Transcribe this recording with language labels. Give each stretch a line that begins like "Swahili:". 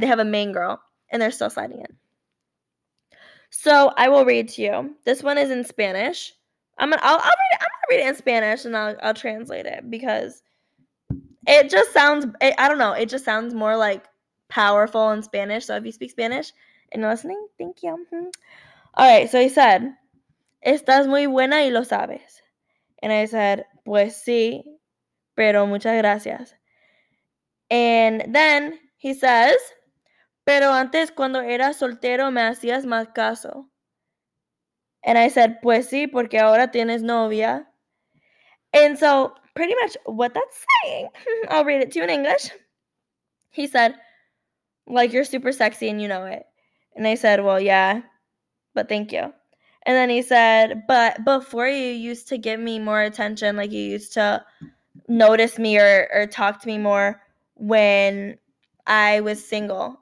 English: They have a main girl, and they're still sliding in. So I will read to you. This one is in Spanish. I'm gonna read it in Spanish, and I'll translate it because it just sounds. It just sounds more, like, powerful in Spanish. So if you speak Spanish and you're listening, thank you. All right. So he said,
Spanish: estás muy buena y lo sabes.
English: And I said,
Spanish: pues sí, pero muchas gracias.
English: And then he says,
Spanish: pero antes cuando era soltero me hacías más caso.
English: And I said,
Spanish: pues sí, porque ahora tienes novia.
English: And so pretty much what that's saying, I'll read it to you in English. He said, like, you're super sexy and you know it. And I said, well, yeah, but thank you. And then he said, but before you used to give me more attention, like you used to notice me or talk to me more when I was single.